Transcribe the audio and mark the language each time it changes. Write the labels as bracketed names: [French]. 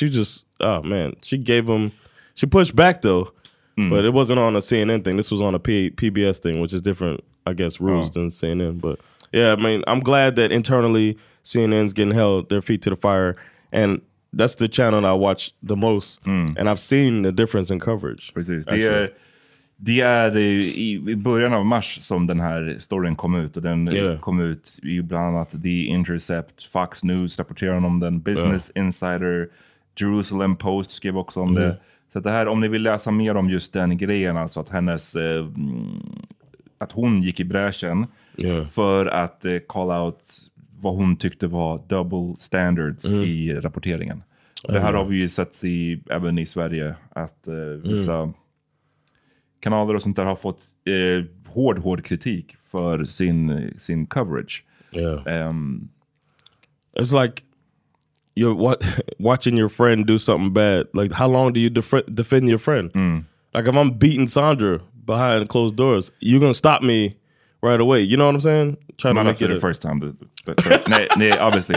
[English] She just, oh man, she pushed back though, but it wasn't on a CNN thing. This was on a PBS thing, which is different. I guess rules than CNN, but yeah, I mean, I'm glad that internally CNN's getting held their feet to the fire, and that's the channel that I watch the most, and I've seen the difference in coverage. [Swedish] Precis. Det är i början av mars som den här storyn kom ut, och den kom ut i bland annat The Intercept, Fox News rapporterar om den, Business Insider, Jerusalem Post skrev också om det. Så att det här, om ni vill läsa mer om just den grejen, alltså att hennes att hon gick i bräschen för att [English] call out [Swedish] vad hon tyckte var [English] double standards [Swedish] i rapporteringen. Det här har vi ju sett i, även i Sverige, att vissa kanaler och sånt där har fått hård kritik för sin coverage. [English] Yeah. It's like you're watching your friend do something bad. Like, how long do you defend your friend? Like, if I'm beating Sandra behind closed doors, you're gonna stop me right away. You know what I'm saying? Trying to make it the first time, but obviously.